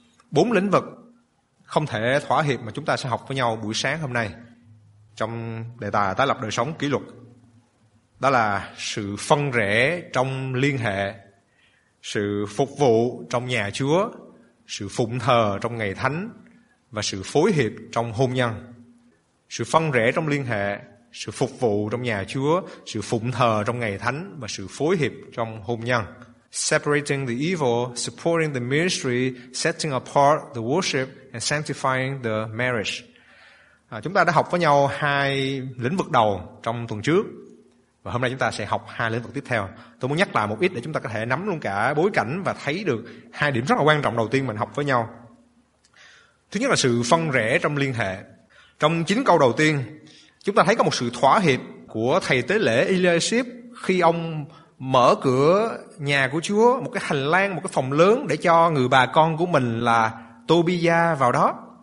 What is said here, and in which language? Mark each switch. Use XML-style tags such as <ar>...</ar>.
<vi>Bốn lĩnh vực không thể thỏa hiệp mà chúng ta sẽ học với nhau buổi sáng hôm nay trong đề tài tái lập đời sống kỷ luật, đó là sự phân rẽ trong liên hệ, sự phục vụ trong nhà Chúa, sự phụng thờ trong ngày thánh và sự phối hiệp trong hôn nhân. Sự phân rẽ trong liên hệ, sự phục vụ trong nhà Chúa, sự phụng thờ trong ngày thánh và sự phối hiệp trong hôn nhân.</vi> <en>Separating the evil, supporting the ministry, setting apart the worship and sanctifying the marriage.</en> <vi>Chúng ta đã học với nhau hai lĩnh vực đầu trong tuần trước và hôm nay chúng ta sẽ học hai lĩnh vực tiếp theo. Tôi muốn nhắc lại một ít để chúng ta có thể nắm luôn cả bối cảnh và thấy được hai điểm rất là quan trọng đầu tiên mình học với nhau. Thứ nhất là sự phân rẽ trong liên hệ. Trong 9 câu đầu tiên, chúng ta thấy có một sự thỏa hiệp của thầy tế lễ Eliashib khi ông mở cửa nhà của Chúa, một cái hành lang, một cái phòng lớn để cho người bà con của mình là Tobia vào đó.</vi>